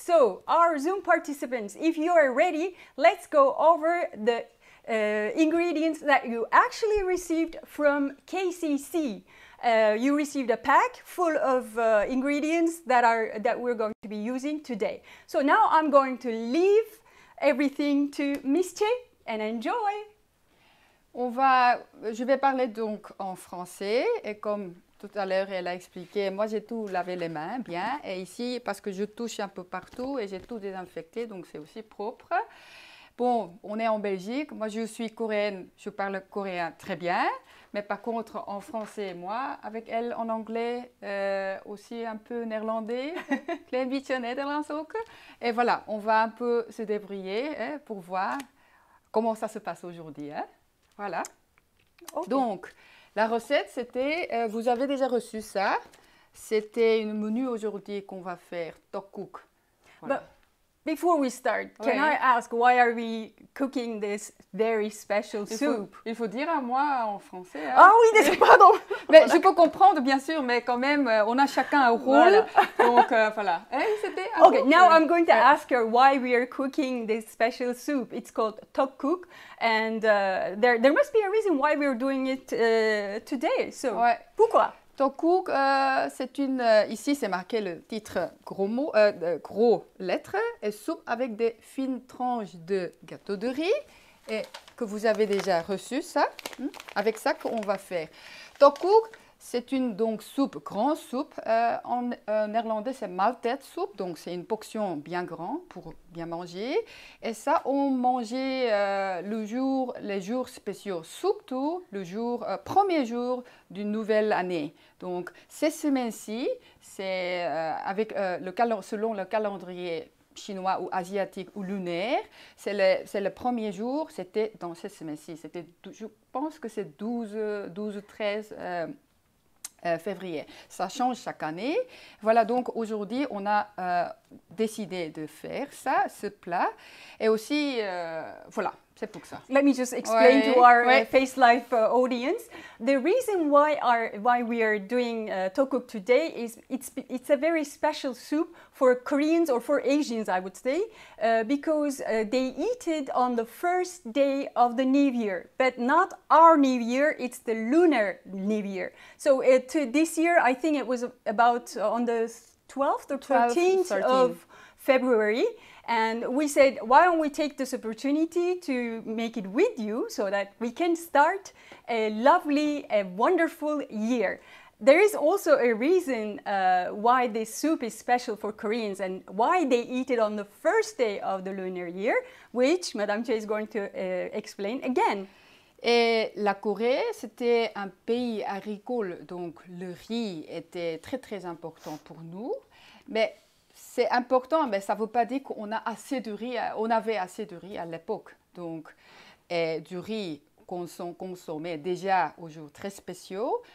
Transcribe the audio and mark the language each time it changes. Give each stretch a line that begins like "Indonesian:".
English: So our Zoom participants, if you are ready, let's go over the ingredients that you actually received from KCC. You received a pack full of ingredients that we're going to be using today. So now I'm going to leave everything to Miss Che and enjoy.
French: Je vais parler donc en français et comme tout à l'heure elle a expliqué, moi j'ai tout lavé les mains bien et ici parce que je touche un peu partout et j'ai tout désinfecté donc c'est aussi propre. Bon, on est en Belgique, moi je suis coréenne, je parle coréen très bien. Mais par contre, en français, moi, avec elle en anglais, aussi un peu néerlandais,
Dutch: klein beetje Nederlands ook.
French: Et voilà, on va un peu se débrouiller hein, pour voir comment ça se passe aujourd'hui. Hein. Voilà. Okay. Donc, la recette, c'était, vous avez déjà reçu ça. C'était un menu aujourd'hui qu'on va faire tteokguk. Voilà.
English: But before we start, can I ask why are we cooking this very special soup?
French: Il faut dire à moi en français. Hein? Ah oui, mais, pardon. Mais voilà. Je peux comprendre bien sûr, mais quand même, on a chacun un rôle. Voilà. Donc voilà.
English: Okay, now I'm going to ask her why we are cooking this special soup. It's called tteokguk, and there must be a reason why we are doing it today.
French: So pourquoi? Tteokguk, c'est une. Ici, c'est marqué le titre gros mot, gros lettres, et soupe avec des fines tranches de gâteau de riz, et que vous avez déjà reçu ça, avec ça qu'on va faire. Tteokguk, c'est une donc soupe, grande soupe. En néerlandais, c'est maaltijd soup, donc c'est une portion bien grande pour bien manger. Et ça, on mangeait les jours spéciaux, surtout le jour, premier jour d'une nouvelle année. Donc, ces semaines-ci, c'est selon le calendrier chinois ou asiatique ou lunaire, c'est le premier jour, c'était dans ce semestre-ci. C'était, je pense que c'est 12-13 février. Ça change chaque année. Voilà, donc aujourd'hui, on a décidé de faire ça, ce plat. Et aussi, voilà. C'est pour ça.
English: Let me just explain to our Face Life audience. The reason why we are doing tteokguk today is it's a very special soup for Koreans or for Asians, I would say, because they eat it on the first day of the New Year, but not our New Year, it's the Lunar New Year. So this year, I think it was about on the 12th or 13th of February. And we said, why don't we take this opportunity to make it with you so that we can start a lovely, a wonderful year. There is also a reason why this soup is special for Koreans and why they eat it on the first day of the lunar year, which Madame Choi is going to explain again.
French: Et la Corée, c'était un pays agricole, donc le riz était très, très important pour nous. Mais c'est important, mais ça ne veut pas dire qu'on a assez de riz. On avait assez de riz à l'époque. Donc, du riz qu'on consommait déjà au jour très spéciaux.